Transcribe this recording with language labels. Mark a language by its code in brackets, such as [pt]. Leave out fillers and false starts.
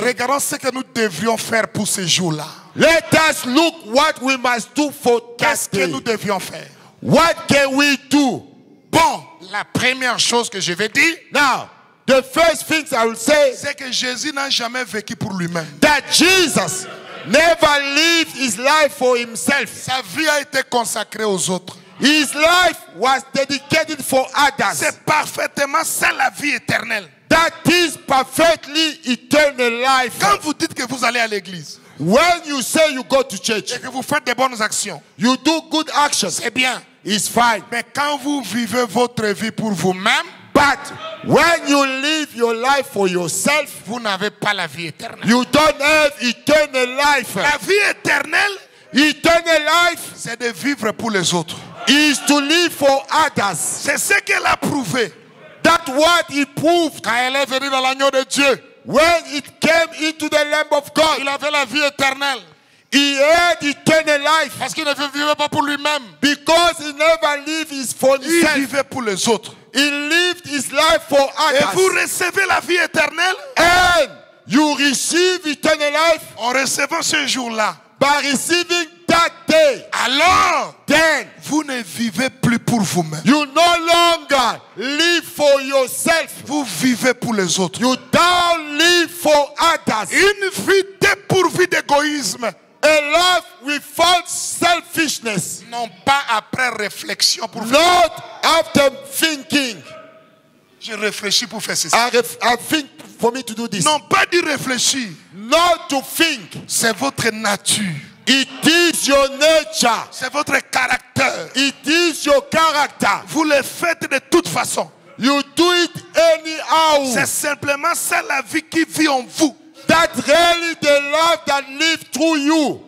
[fr] regardons ce que nous devions faire pour ces jours-là. [en] Let us look what we must do for that. [fr] Qu'est-ce que nous devions faire? [en] What can we do? [fr] Bon, la première chose que je vais dire. [en] Now, the first thing I will say. [fr] C'est que Jésus n'a jamais vécu pour lui-même. [en] That Jesus never lived his life for himself. [fr] Sa vie a été consacrée aux autres. [en] His life was dedicated for others. [fr] C'est parfaitement ça la vie éternelle. [en] That is perfectly eternal life. [fr] Quand vous dites que vous allez à l'église. [en] When you say you go to church. [fr] Et que vous faites des bonnes actions. [en] You do good actions. [fr] C'est bien. [en] It's fine. [fr] Mais quand vous vivez votre vie pour vous-même. [en] But when you live your life for yourself. [fr] Vous n'avez pas la vie éternelle. [en] You don't have eternal life. [fr] La vie éternelle. [en] Eternal life. [fr] C'est de vivre pour les autres. [en] Is to live for others. [fr] C'est ce qu'elle a prouvé. [en] That what he proved. [fr] Quand elle est venue dans l'agneau de Dieu. [en] When it came into the Lamb of God. [fr] Il avait la vie éternelle. [en] He had eternal life. [fr] Parce qu'il ne vivait pas pour lui-même. [en] Because he never lived his for himself. [fr] Il vivait pour les autres. [en] He lived his life for others. [fr] Et vous recevez la vie éternelle? [en] And you receive eternal life. [fr] En recevant ce jour-là. [en] By receiving that day. [fr] Alors, [en] then, [fr] vous ne vivez plus pour vous-même. [en] You no longer live for yourself. [fr] Vous vivez pour les autres. [en] You don't live for others. [fr] Une vie dépourvue d'égoïsme. [en] A life without selfishness. [fr] Non, pas après réflexion pour [en] not after thinking. [fr] Je réfléchis pour faire ceci. [en] I think for me to do this. [fr] Non, pas d'y réfléchir. [en] Not to think. [fr] C'est votre nature. [en] It is your nature. [fr] C'est votre caractère. [en] It is your character. [fr] Vous le faites de toute façon. [en] You do it anyhow. [fr] C'est simplement ça la vie qui vit en vous. [en] That really the love that lives through you.